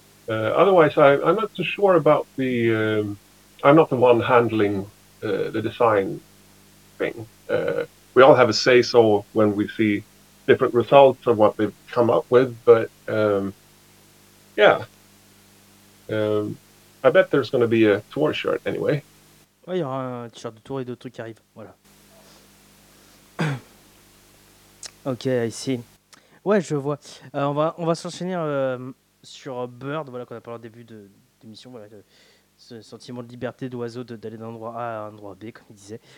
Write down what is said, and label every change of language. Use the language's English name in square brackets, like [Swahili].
[English] Otherwise, I'm not too sure about the... I'm not the one handling the design thing. We all have a say-so when we see different results of what they've come up with, but, yeah. I bet there's going to be a tour shirt, anyway. [French] Ouais, il y aura un t-shirt de tour et d'autres trucs qui arrivent, voilà. Ok, ici. Ouais, je vois. On va s'enchaîner sur Bird, voilà, qu'on a parlé au début de l'émission. Voilà, ce sentiment de liberté d'oiseau d'aller d'un endroit A à un endroit B, comme il disait.